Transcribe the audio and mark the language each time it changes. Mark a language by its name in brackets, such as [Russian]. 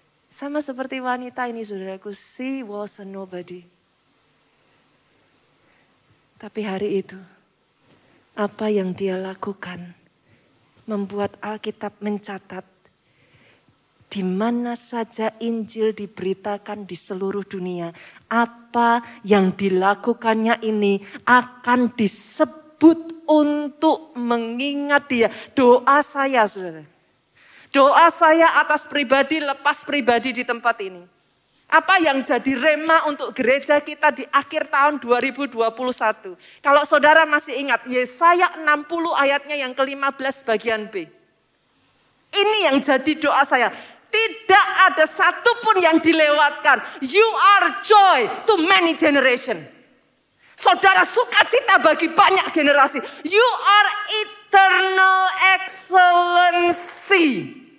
[Indonesian] Sama seperti wanita ini, saudaraku, [English] she was a nobody. [Indonesian] Tapi hari itu, apa yang dia lakukan membuat Alkitab mencatat, di mana saja Injil diberitakan di seluruh dunia, apa yang dilakukannya ini akan disebut untuk mengingat dia. Doa saya, saudara. Doa saya atas pribadi, lepas pribadi di tempat ini. Apa yang jadi rema untuk gereja kita di akhir tahun 2021. Kalau saudara masih ingat, Yesaya 60 ayatnya yang ke-15 bagian B. Ini yang jadi doa saya. Tidak ada satupun yang dilewatkan. [English] You are joy to many generation. [Indonesian] Saudara sukacita bagi banyak generasi. [English] You are eternal excellency.